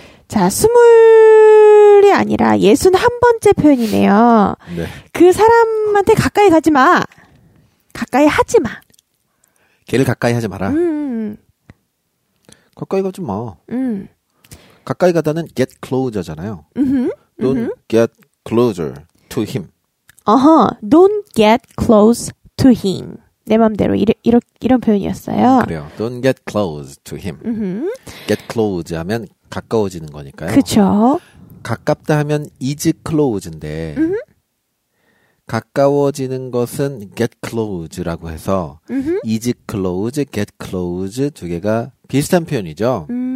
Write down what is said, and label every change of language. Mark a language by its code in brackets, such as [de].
[ko] 자, 스물이 아니라 예순 한 번째 표현이네요. 네. 그 사람한테 가까이 가지 마. 가까이 하지 마. 걔를 가까이 하지 마라. 가까이 가지 마. 가까이 가다는 [en] get closer [ko] 잖아요. [en] Don't get closer to him. 어허, don't get close to him. [ko] 내 마음대로 이런 표현이었어요. 그래요. [en] Don't get close to him. [ko] Get close 하면 가까워지는 거니까요. 그렇죠. 가깝다 하면 is close인데 가까워지는 것은 get close라고 해서 [en] is close, get close [ko] 두 개가 비슷한 표현이죠.